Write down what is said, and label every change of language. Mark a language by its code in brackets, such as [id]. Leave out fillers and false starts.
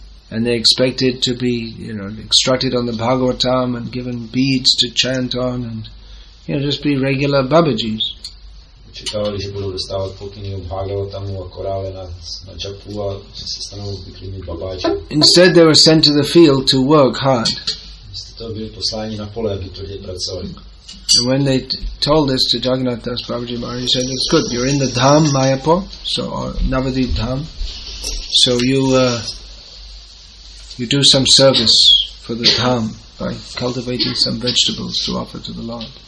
[en] And they expected to be, you know, instructed on the Bhagavatam and given beads to chant on and, you know, just be regular Babajis. [cs] Čekávali, že budou dostávat pokyny od Bhagavatamu a korále na džapu a že se stanou obyklými babáči. [en] Instead they were sent to the field to work hard. [cs] Místo toho byli posláni na pole, aby tvrdě pracovali. [en] And when they told this to Jagannath Das Babaji Maharaj, he said, it's good, you're in the Dham, Mayapur, so, or Navadvip Dham, so you do some service for the Dham by cultivating some vegetables to offer to the Lord.